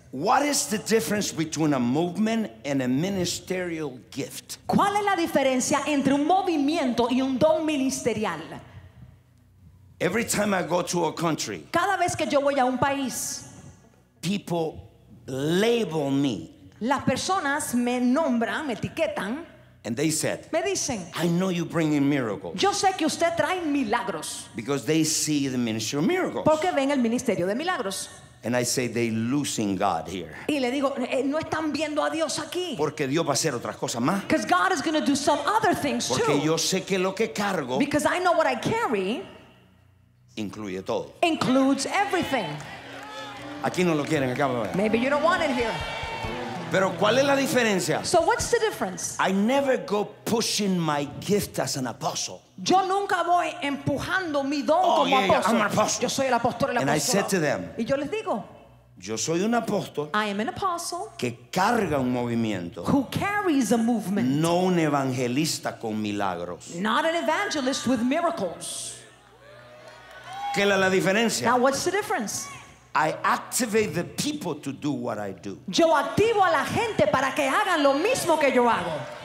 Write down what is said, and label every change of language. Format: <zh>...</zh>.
<en>What is the difference between a movement and a ministerial gift?</en> <es>¿Cuál es la diferencia entre un movimiento y un don ministerial?</es> <en>Every time I go to a country,</en> <es>cada vez que yo voy a un país,</es> <en>people label me.</en> <es>Las personas me nombran, me etiquetan.</es> <en>And they said,</en> <es>me dicen,</es> <en>I know you bring in miracles.</en> <es>Yo sé que usted trae milagros.</es> <en>Because they see the ministry of miracles.</en> <es>Porque ven el ministerio de milagros.</es> <en>And I say they losing God here.</en> <es>Y le digo, no están viendo a Dios aquí. Porque Dios va a hacer otras cosas más.</es> <en>Because God is going to do some other things</en> <es>porque</es> <en>too.</en> <es>Porque yo sé que lo que cargo.</es> <en>Because I know what I carry.</en> <es>Incluye todo.</es> <en>Includes everything.</en> <es>Aquí no lo quieren, acá va a ver.</es> <en>Maybe you don't want it here.</en> <es>Pero ¿cuál es la diferencia?</es> <en>So what's the difference? I never go pushing my gift as an apostle.</en> <es>Yo nunca voy empujando mi don oh, como yeah, apóstol.</es> <en>Yeah, I'm an apostle.</en> <es>Yo soy el apóstol, el</es> <en>and</en> <es>apostolo.</es> <en>I said to them,</en> <es>y yo les digo, yo soy un apóstol.</es> <en>I am an apostle.</en> <es>Que carga un movimiento.</es> <en>Who carries a movement.</en> <es>No un evangelista con milagros.</es> <en>Not an evangelist with miracles.</en> <es>¿Qué es la diferencia?</es> <en>Now what's the difference? I activate the people to do what I do.</en> <es>Yo activo a la gente para que hagan lo mismo que yo hago.</es>